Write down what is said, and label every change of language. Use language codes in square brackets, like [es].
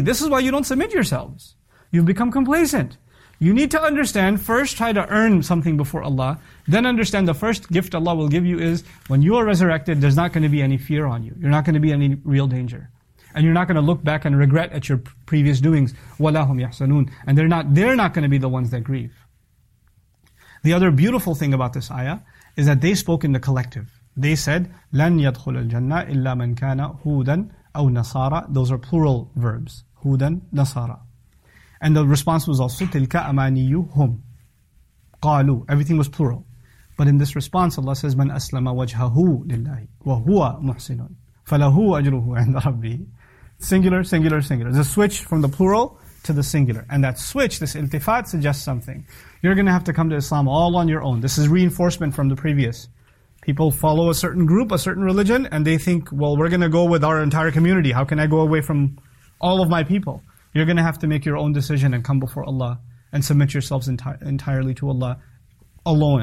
[en] This is why you don't submit yourselves. You've become complacent. You need to understand, first try to earn something before Allah, then understand the first gift Allah will give you is, when you are resurrected, there's not going to be any fear on you. You're not going to be in any real danger. And you're not going to look back and regret at your previous doings. [ar] وَلَا هُمْ يَحْسَنُونَ. [en] And they're not going to be the ones that grieve. The other beautiful thing about this ayah is that they spoke in the collective. They said, [ar] لَنْ يَدْخُلَ الْجَنَّةِ إِلَّا مَنْ كَانَ هُودًا أَوْ نَصَارًا. [en] Those are plural verbs. [ar] هُودًا نَصَارًا. [en] And the response was also, [ar] تِلْكَ أَمَانِيُّهُمْ قَالُوا. [en] Everything was plural. But in this response, Allah says, [ar] مَنْ أَسْلَمَ وَجْهَهُ لِلَّهِ وَهُوَ مُحْسِنٌ فَلَهُ أَجْرُهُ عِنْدَ رَبِّهِ. [en] Singular, singular, singular. The switch from the plural to the singular. And that switch, this iltifat, suggests something. You're going to have to come to Islam all on your own. This is reinforcement from the previous. People follow a certain group, a certain religion, and they think, well, we're going to go with our entire community. How can I go away from all of my people? You're going to have to make your own decision and come before Allah and submit yourselves entirely to Allah alone.